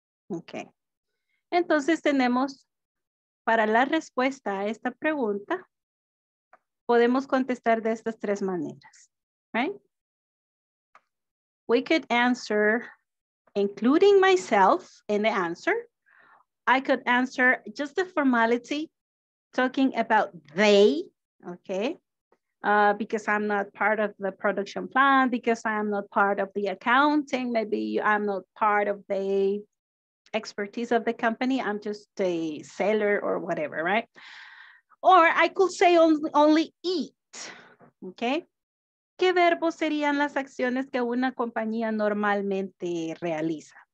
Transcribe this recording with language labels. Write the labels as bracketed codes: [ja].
[es] Ok. Entonces tenemos para la respuesta a esta pregunta, podemos contestar de estas tres maneras, right? [en] We could answer including myself in the answer. I could answer just the formality talking about they, okay? Because I'm not part of the production plan, because I'm not part of the accounting, maybe I'm not part of the expertise of the company, I'm just a seller or whatever, right? Or I could say only it, okay? [es] ¿Qué verbos serían las acciones que una compañía normalmente realiza?